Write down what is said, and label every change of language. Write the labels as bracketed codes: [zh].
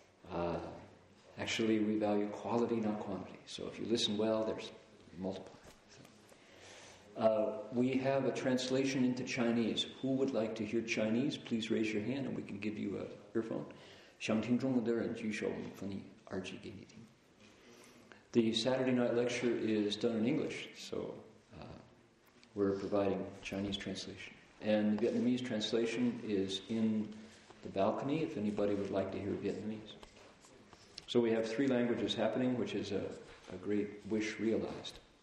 [en] So, actually, we value quality, not quantity. So if you listen well, there's multiple. So, we have a translation into Chinese. Who would like to hear Chinese? Please raise your hand and we can give you an earphone. [zh] 想听中文的人举手，我们给你耳机给你听。 [en] The Saturday night lecture is done in English, so we're providing Chinese translation. And the Vietnamese translation is in the balcony if anybody would like to hear Vietnamese. So we have three languages happening, which is a great wish realized.